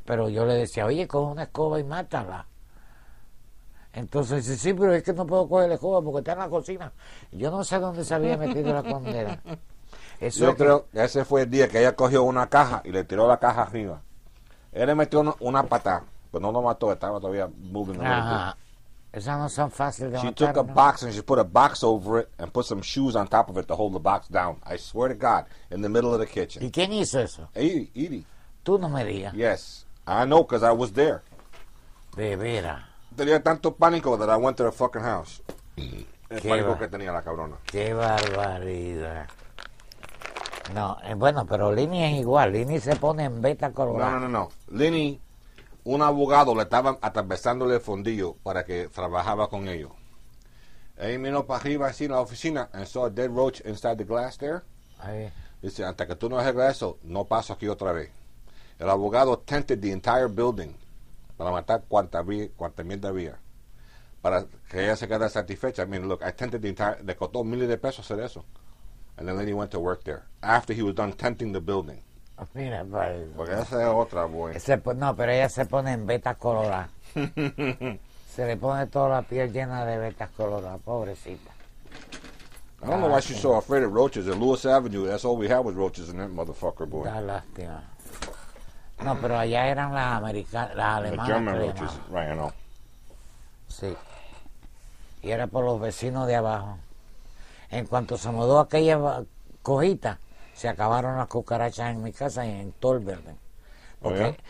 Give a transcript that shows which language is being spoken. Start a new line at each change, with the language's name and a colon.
Spanish: Pero yo le decía, oye, con una escoba y mátala. Entonces dice, sí, pero es que no puedo coger la escoba porque está en la cocina. Yo no sé dónde se había metido la condena. Eso yo es creo que ese fue el día que ella cogió una caja y le tiró la caja arriba. Él le metió una patada, pero no lo mató, estaba todavía moving. Ajá. Esas no son fáciles de
English: she
Spanish: matar.
English: She took a
Spanish: ¿no?
English: box and she put a box over it and put some shoes on top of it to hold the box down. I swear to God, in the middle of the kitchen.
Spanish: ¿Y quién hizo eso? Edie. Tú no me digas.
English: Yes. I know because I was there.
Spanish: De vera. Tenía tanto pánico
English: that I went to the fucking house.
Spanish: El pánico que tenía la cabrona. Qué barbaridad. No, bueno, pero Lini es igual. Lini se pone en beta colorada. No. Lini, un abogado le estaba atravesándole el fondillo para que trabajaba con ellos. Él miró para arriba así en la oficina
English: and saw a dead roach inside the glass there.
Spanish: Ahí. Dice, hasta que tú no arregles eso, no paso aquí otra vez. El abogado
English: tented the entire building
Spanish: para matar cuanta mierda había. Para que ella se quede satisfecha.
English: I mean, look, I tented the entire...
Spanish: Le costó miles de pesos hacer eso.
English: And then he went to work there after he was done tenting the building.
Spanish: Mira, padre. Porque esa es otra, boy. No, pero ella se pone en beta colorada. Se le pone toda la piel llena de betas coloradas, pobrecita.
English: I don't know why she's so afraid of roaches. At Lewis Avenue, that's all we had was roaches in that motherfucker, boy.
Spanish: Da lástima. No, pero allá eran las americanas, las alemanas.
English: The German roaches, right, I know.
Spanish: Sí. Y era por los vecinos de abajo. En cuanto se mudó aquella cojita, se acabaron las cucarachas en mi casa y en todo el verde. Porque oh, yeah.